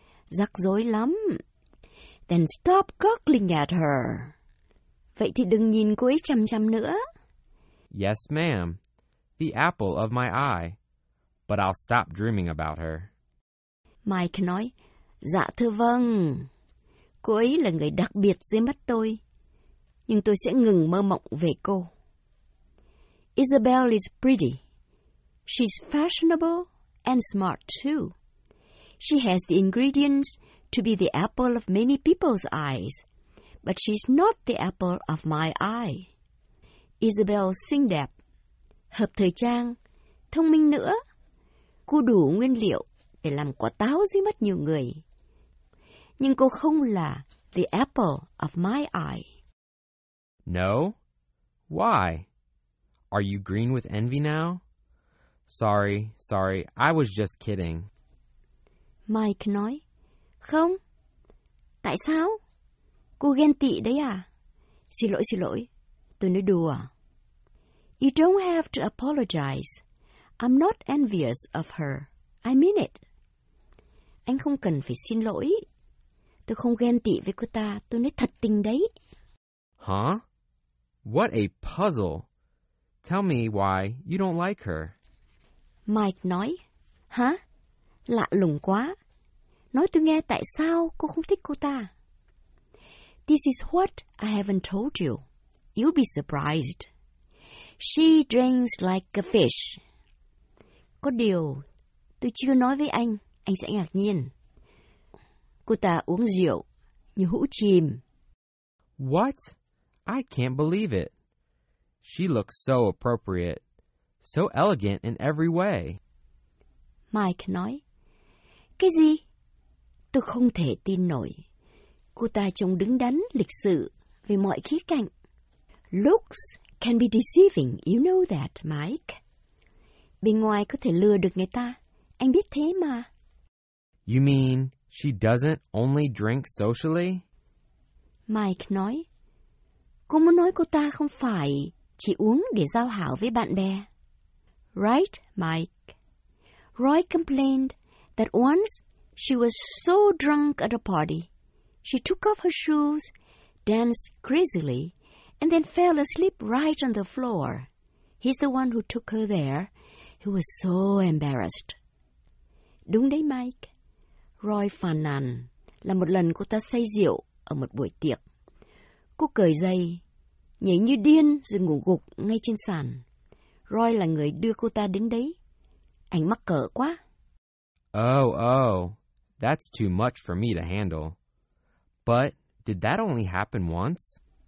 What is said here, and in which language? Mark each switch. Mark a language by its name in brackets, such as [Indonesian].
[Vietnamese] Rắc rối lắm. [English] Then stop cuddling at her. [Vietnamese] Vậy thì đừng nhìn cô ấy chằm chằm nữa. [English] Yes, ma'am. The apple of my eye. But I'll stop dreaming about her. [Vietnamese] Mike nói, dạ thưa vâng. Cô ấy là người đặc biệt dưới mắt tôi. Nhưng tôi sẽ ngừng mơ mộng về cô. [English] Isabel is pretty. She's fashionable and smart too. She has the ingredients to be the apple of many people's eyes. But she's not the apple of my eye. [Vietnamese] Isabel xinh đẹp, hợp thời trang, thông minh nữa. Cô đủ nguyên liệu để làm quả táo dưới mắt nhiều người. Nhưng cô không là [English] the apple of my eye. No? Why? Are you green with envy now? Sorry, I was just kidding. [Vietnamese] Mike nói, không. Tại sao? Cô ghen tị đấy à? Xin lỗi, tôi nói đùa. [English] You don't have to apologize. I'm not envious of her. I mean it. [Vietnamese] Anh không cần phải xin lỗi. Tôi không ghen tị với cô ta. Tôi nói thật tình đấy. [English] Huh? What a puzzle. Tell me why you don't like her. [Vietnamese] Mike nói. Hả? Lạ lùng quá. Nói tôi nghe tại sao cô không thích cô ta. [English] This is what I haven't told you. You'll be surprised. She drinks like a fish. [Vietnamese] Có điều tôi chưa nói với anh sẽ ngạc nhiên. Cô ta uống rượu như hũ chìm. [English] What? I can't believe it. She looks so appropriate, so elegant in every way. [Vietnamese] Mike nói, cái gì? Tôi không thể tin nổi. Cô ta trông đứng đắn lịch sự về mọi khía cạnh. [English] Looks can be deceiving, you know that, Mike. [Vietnamese] Bên ngoài có thể lừa được người ta, anh biết thế mà. [English] You mean she doesn't only drink socially? [Vietnamese] Mike nói, cô muốn nói cô ta không phải chỉ uống để giao hảo với bạn bè. [English] Right, Mike. Roy complained that once she was so drunk at a party, she took off her shoes, danced crazily, and then fell asleep right on the floor. He's the one who took her there. He was so embarrassed. [Vietnamese] Đúng đấy, Mike. Roy phàn nàn là một lần cô ta say rượu ở một buổi tiệc. Cô cởi giày, nhảy như điên rồi ngủ gục ngay trên sàn. Roy là người đưa cô ta đến đấy. Anh mắc cỡ quá. [English] Oh, that's too much for me to handle. But did that only happen once?